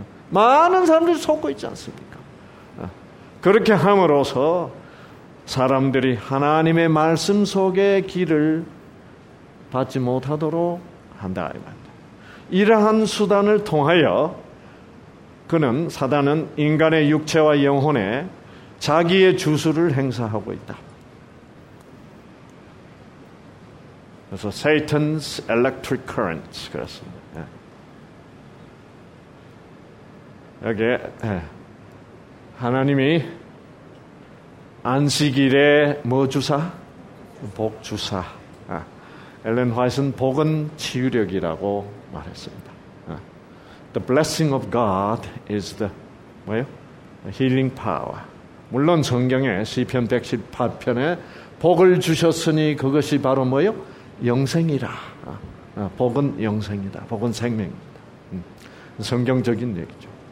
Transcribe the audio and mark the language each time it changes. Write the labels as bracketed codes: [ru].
[ko] 많은 사람들이 속고 있지 않습니까? 그렇게 함으로써 사람들이 하나님의 말씀 속에 기를 받지 못하도록 한다 이 말입니다. 이러한 수단을 통하여 그는 사단은 인간의 육체와 영혼에 자기의 주술을 행사하고 있다. 그래서 [en] Satan's electric currents [ko] 그랬습니다. 예. 여기에 예. 하나님이 안식일에 뭐 주사? 복 주사. 예. 엘렌 화이트는 복은 치유력이라고 말했습니다. 예. [en] The blessing of God is the [ko] 뭐예요? [en] The healing power. [ko] 물론 성경에 시편 118편에 복을 주셨으니 그것이 바로 뭐예요? 영생이라. 복은 영생이다. 복은 생명입니다. 성경적인 얘기죠.